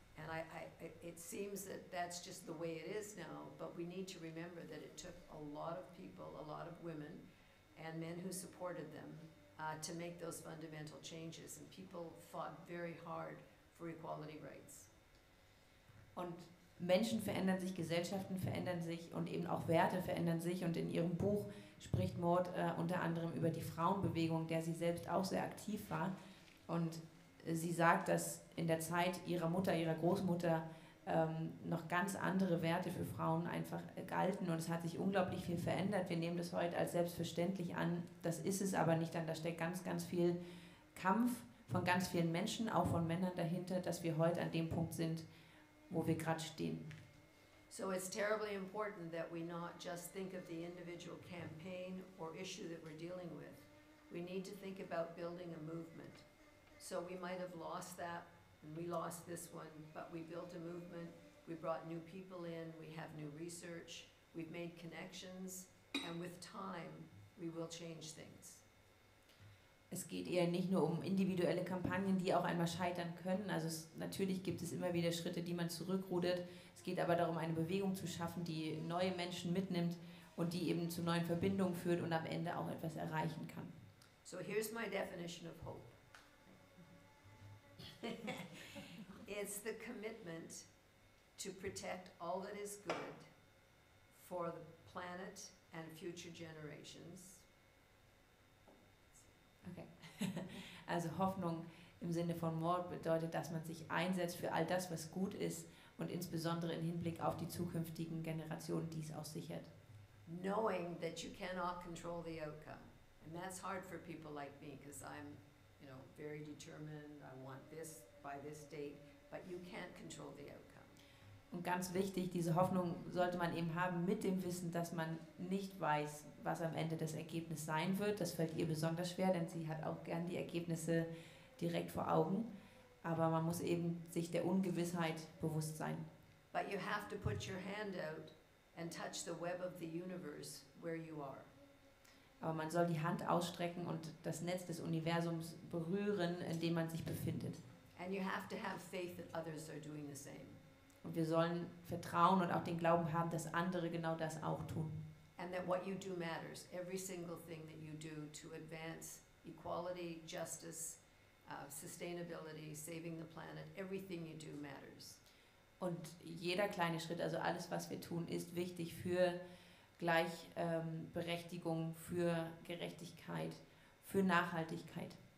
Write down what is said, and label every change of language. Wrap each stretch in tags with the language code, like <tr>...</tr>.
<en>And it seems that that's just the way it is now, but we need to remember that it took a lot of people, a lot of women, and men who supported them to make those fundamental changes. And people fought very hard for equality rights.</en> <de>Und Menschen verändern sich, Gesellschaften verändern sich und eben auch Werte verändern sich. Und in ihrem Buch spricht Maud unter anderem über die Frauenbewegung, der sie selbst auch sehr aktiv war. Und sie sagt, dass in der Zeit ihrer Mutter, ihrer Großmutter noch ganz andere Werte für Frauen einfach galten. Und es hat sich unglaublich viel verändert. Wir nehmen das heute als selbstverständlich an. Das ist es aber nicht. Denn da steckt ganz, ganz viel Kampf von ganz vielen Menschen, auch von Männern dahinter, dass wir heute an dem Punkt sind, wo wir gerade stehen.</de> <en>So it's terribly important that we not just think of the individual campaign or issue that we're dealing with. We need to think about building a movement. So we might have lost that, and we lost this one, but we built a movement, we brought new people in, we have new research, we've made connections, and with time, we will change things.</en> <de>Es geht eher nicht nur um individuelle Kampagnen, die auch einmal scheitern können. Also natürlich gibt es immer wieder Schritte, die man zurückrudert. Es geht aber darum, eine Bewegung zu schaffen, die neue Menschen mitnimmt und die eben zu neuen Verbindungen führt und am Ende auch etwas erreichen kann.</de> <en>So here's my definition of hope. It's the commitment to protect all that is good for the planet and future generations. Okay.</en> <de>Also Hoffnung im Sinne von Maud bedeutet, dass man sich einsetzt für all das, was gut ist und insbesondere im Hinblick auf die zukünftigen Generationen dies auch sichert.</de> <en>Knowing that you cannot control the outcome. And that's hard for people like me, because I'm, you know, very determined, I want this by this date, but you can't control the outcome.</en> <de>Und ganz wichtig, diese Hoffnung sollte man eben haben mit dem Wissen, dass man nicht weiß, was am Ende das Ergebnis sein wird. Das fällt ihr besonders schwer, denn sie hat auch gern die Ergebnisse direkt vor Augen. Aber man muss eben sich der Ungewissheit bewusst sein.</de> <en>But you have to put your hand out and touch the web of the universe where you are.</en> <de>Aber man soll die Hand ausstrecken und das Netz des Universums berühren, in dem man sich befindet.</de> <en>And you have to have faith that others are doing the same.</en> <de>Und wir sollen vertrauen und auch den Glauben haben, dass andere genau das auch tun.</de> <en>And that what you do matters. Every single thing that you do to advance equality, justice, sustainability, saving the planet, everything you do matters.</en> <de>Und jeder kleine Schritt, also alles, was wir tun, ist wichtig für Gleichberechtigung, für Gerechtigkeit, für Nachhaltigkeit.</de>